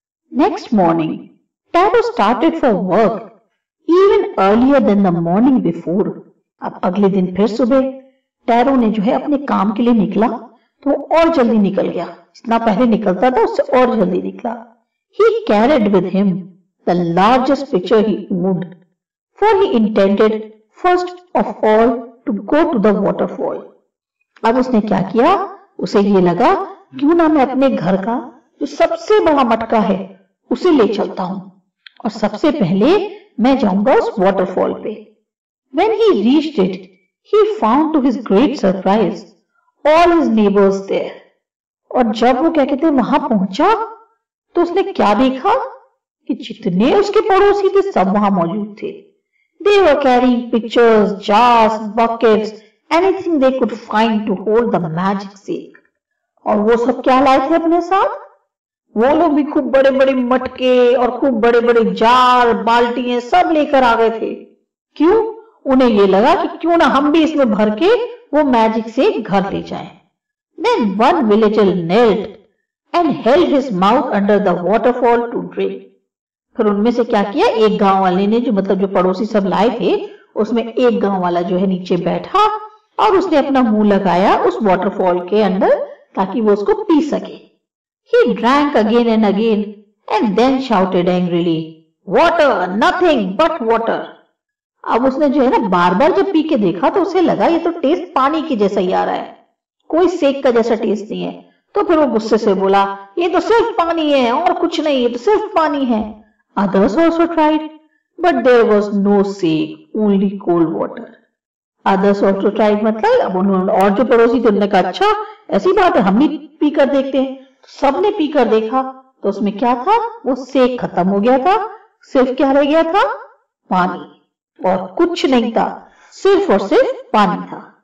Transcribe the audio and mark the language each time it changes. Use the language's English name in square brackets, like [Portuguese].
[English] Next morning, Taro started for work, even earlier than the morning before. [Hindi] अब अगले दिन फिर सुबह टैरो ने जो है अपने काम के लिए निकला तो और जल्दी निकल गया. जितना पहले निकलता था उससे और जल्दी निकला. [English] He carried with him the largest pitcher he owned, for he intended first of all to go to the waterfall. [Hindi] अब उसने क्या किया, उसे ये लगा क्यों ना मैं अपने घर का जो सबसे बड़ा मटका है उसे ले चलता हूं और सबसे पहले मैं जाऊंगा उस वॉटरफॉल पे. [English] When he reached it, he found to his great surprise all his neighbors there. [Hindi] और जब वो क्या कहते हैं वहां पहुंचा तो उसने क्या देखा कि जितने उसके पड़ोसी थे सब वहां मौजूद थे. [English] They were carrying pitchers, jars, buckets, anything they could find to hold the magic seal. [Hindi] और वो सब क्या लाए थे अपने साथ, वो लोग भी खूब बड़े बड़े मटके और खूब बड़े बड़े जार बाल्टियां सब लेकर आ गए थे. क्यों, उन्हें ये लगा कि क्यों ना हम भी इसमें भर के वो मैजिक से घर ले जाएं. [English] Then one villager knelt and held his mouth under the waterfall to drink. [Hindi] फिर उनमें से क्या किया, एक गांव वाले ने जो मतलब जो पड़ोसी सब लाए थे उसमें एक गांव वाला जो है नीचे बैठा और उसने अपना मुंह लगाया उस वॉटरफॉल के अंदर ताकि वो उसको पी सके. [English] He drank again and again and then shouted angrily, "Water, nothing but water." [Hindi] अब उसने जो है ना बार बार जब पी के देखा तो उसे लगा ये तो टेस्ट पानी की जैसा ही आ रहा है, कोई सेक का जैसा टेस्ट नहीं है. तो फिर वो गुस्से से बोला ये तो सिर्फ पानी है और कुछ नहीं, ये तो सिर्फ पानी है. [English] Others also tried, but there was no sake, only cold water. Others also tried, [Hindi] मतलब अब उन्होंने और जो पड़ोसी थे उन्होंने कहा अच्छा ऐसी बात है हम भी पीकर देखते हैं. सबने पीकर देखा तो उसमें क्या था, वो सेक खत्म हो गया था, सिर्फ क्या रह गया था, पानी, और कुछ नहीं था, सिर्फ और सिर्फ पानी था.